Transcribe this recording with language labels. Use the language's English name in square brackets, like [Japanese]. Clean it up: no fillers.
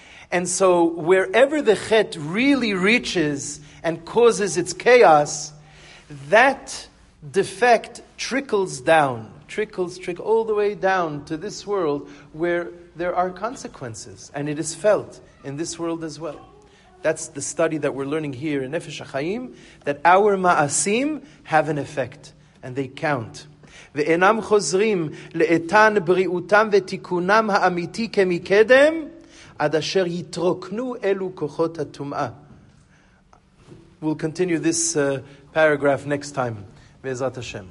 [English] And so wherever the chet really reaches and causes its chaos, that defect trickles down, trickles all the way down to this world where there are consequences. And it is felt in this world as well. That's the study that we're learning here in Nefesh HaChaim, that our ma'asim have an effect and they count. [Hebrew] ואינם חוזרים לאיתן בריאותם ותיקונם האמיתי כמקדם, עד אשר יתרוקנו אלו כוחות הטומאה. [English] We'll continue this paragraph next time, בעזרת השם.